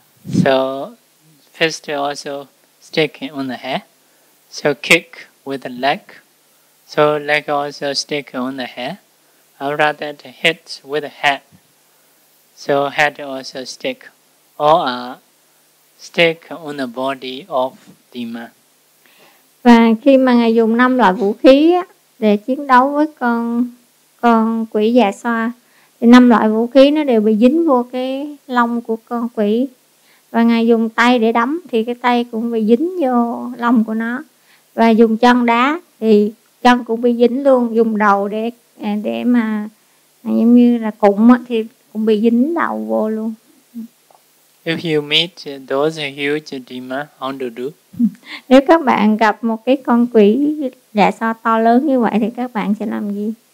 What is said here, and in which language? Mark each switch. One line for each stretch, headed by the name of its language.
English: So fist also stick on the hair. So kick with the leg. So leg also stick on the hair. After that hit with the head. So head also stick. All are stick on the body of demon.
Vietnamese: Và khi mà ngài dùng năm loại vũ khí để chiến đấu với con quỷ dạ xoa, thì năm loại vũ khí nó đều bị dính vô cái lông của con quỷ. Và ngài dùng tay để đấm thì cái tay cũng bị dính vô lông của nó. Và dùng chân đá thì chân cũng bị dính luôn. Dùng đầu để mà giống như là cụm thì cũng bị dính đầu vô luôn.
English: If you meet those huge demons, how to do?
Vietnamese: Nếu các bạn gặp một cái con quỷ dạ xoa to lớn như vậy thì các bạn sẽ làm gì?